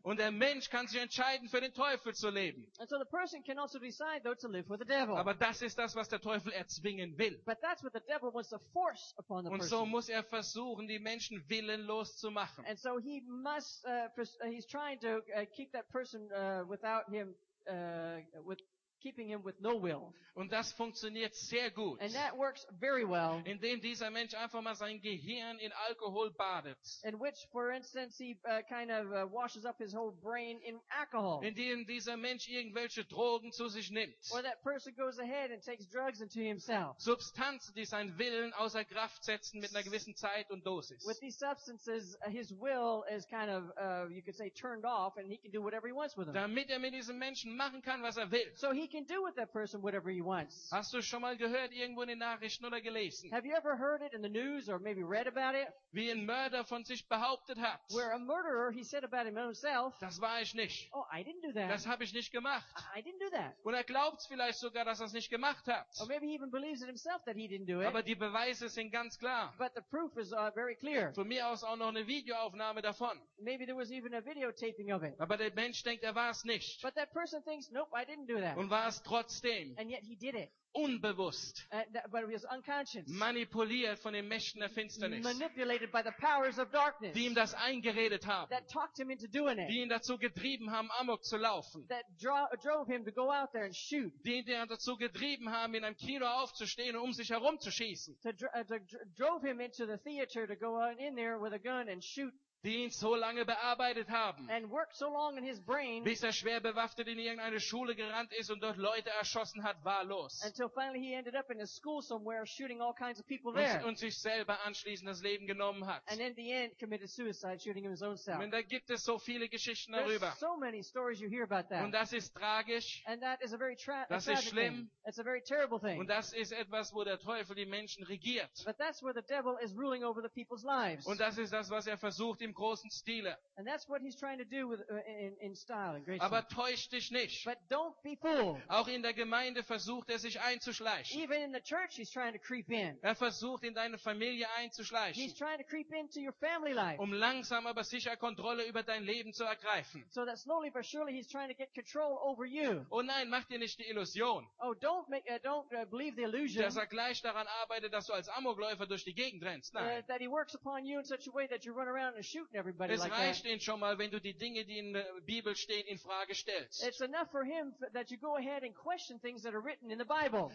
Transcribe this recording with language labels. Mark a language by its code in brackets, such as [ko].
[de] Und der Mensch kann sich entscheiden, für den Teufel zu leben. [en] And so the person can also decide, though, to live for the devil. [de] Aber das ist das, was der Teufel erzwingen will. [en] But that's what the devil wants to force upon the [de] und [en] person. [de] So muss er versuchen, die Menschen willenlos zu machen. [en] And so he must, he's trying to keep that person without him, with keeping him with no will. [de] Und das funktioniert sehr gut. [en] And that works very well. [de] Indem dieser Mensch einfach mal sein Gehirn in Alkohol badet. [en] In which, for instance, he kind of washes up his whole brain in alcohol. [de] Indem dieser Mensch irgendwelche Drogen zu sich nimmt. [en] Or that person goes ahead and takes drugs into himself. [de] Substanzen, die seinen Willen außer Kraft setzen mit einer gewissen Zeit und Dosis. [en] With these substances, his will is kind of, you could say, turned off, and he can do whatever he wants with them. [de] Damit er mit diesem Menschen machen kann, was er will. [en] So he can do with that person whatever he wants. [de] Hast du schon mal gehört irgendwo in den Nachrichten oder gelesen? [en] Have you ever heard it in the news or maybe read about it? [de] Wie ein Mörder von sich behauptet hat. [en] Where a murderer, he said about himself. [de] Das war ich nicht. [en] Oh, I didn't do that. [de] Das habe ich nicht gemacht. [en] I didn't do that. [de] Und er glaubt vielleicht sogar, dass er es nicht gemacht hat. [en] Or maybe he even believes it himself that he didn't do it. [de] Aber die Beweise sind ganz klar. [en] But the proof is very clear. [de] Von mir aus auch noch eine Videoaufnahme davon. [en] Maybe there was even a videotaping of it. [de] Aber der Mensch denkt, er war es nicht. [en] But that person thinks, nope, I didn't do that. [de] Und war es trotzdem. [en] And yet he did it. [de] Unbewusst. [en] But he was unconscious. [de] Manipuliert von den Mächten der Finsternis. [en] Manipulated by the powers of darkness. [de] Die ihm das eingeredet haben. [en] That talked him into doing it. [de] Die ihn dazu getrieben haben, Amok zu laufen. [en] That drove him to go out there and shoot. [de] Die ihn dazu getrieben haben, in einem Kino aufzustehen und um sich herumzuschießen. [en] To drove him into the theater to go on in there with a gun and shoot [de] die ihn so lange bearbeitet haben, [en] and worked so long in his brain, [de] bis er schwer bewaffnet in irgendeine Schule gerannt ist und dort Leute erschossen hat, wahllos. [en] Until finally he ended up in a school somewhere shooting all kinds of people there. [de] Und sich selber anschließend das Leben genommen hat. [en] And in the end committed suicide shooting his own self. [de] Und da gibt es so viele Geschichten darüber. [en] There's so many stories you hear about that. [de] Und das ist tragisch. [en] And that is a very [de] das ist schlimm. [en] It's a very terrible thing. [de] Und das ist etwas, wo der Teufel die Menschen regiert. [en] But that's where the devil is ruling over the people's lives. [de] Und das ist das, was er versucht im großen Stile. [en] And that's what he's trying to do with, in style, in great. [de] Aber täusch dich nicht. [en] But don't be fooled. [de] Auch in der Gemeinde versucht er sich einzuschleichen. [en] Even in the church he's trying to creep in. [de] Er versucht in deine Familie einzuschleichen. [en] He's trying to creep into your family life. [de] Um langsam aber sicher Kontrolle über dein Leben zu ergreifen. [en] So that slowly but surely he's trying to get control over you. [de] Oh nein, mach dir nicht die Illusion. [en] Oh, don't believe the illusion. [de] Dass er gleich daran arbeitet, dass du als Amokläufer durch die Gegend rennst. Nein. [en] That he works upon you in such a way that you run around and shooting everybody like that. [de] Es reicht ihnen schon mal, wenn du die Dinge, die in der Bibel stehen, in Frage stellst. [en] It's enough for him that you go ahead and question things that are written in the Bible.